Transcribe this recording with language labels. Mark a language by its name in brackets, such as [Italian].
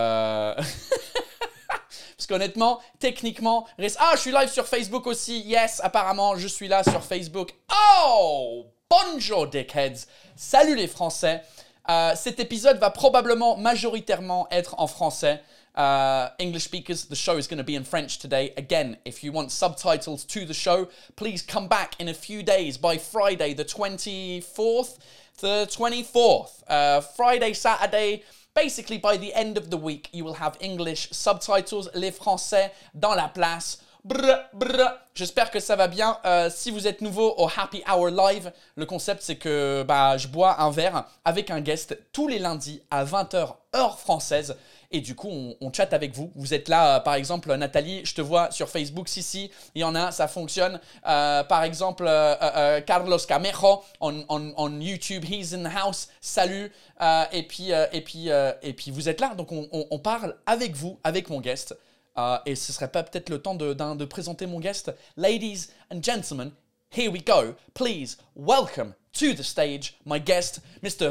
[French] Parce qu'honnêtement, techniquement... Ah, je suis live sur Facebook aussi. Yes, apparemment, je suis là sur Facebook. Oh, bonjour, dickheads. Salut, les Français. Cet épisode va probablement majoritairement être en français. [English] English speakers, the show is going to be in French today. Again, if you want subtitles to the show, please come back in a few days by Friday, the 24th. Friday, Saturday, basically by the end of the week, you will have English subtitles, [French] les Français dans la place. J'espère que ça va bien. Si vous êtes nouveau au Happy Hour Live, le concept c'est que je bois un verre avec un guest tous les lundis à 20h heure française. Et du coup, on chatte avec vous. Vous êtes là, par exemple, Nathalie, je te vois sur Facebook. Si, il y en a, ça fonctionne. Par exemple, Carlos Camejo [English] on YouTube, he's in the house. [French] Salut. Et puis vous êtes là. Donc, on parle avec vous, avec mon guest. Et ce serait pas peut-être le temps de présenter mon guest. [English] Ladies and gentlemen, here we go. Please welcome to the stage my guest, Mr.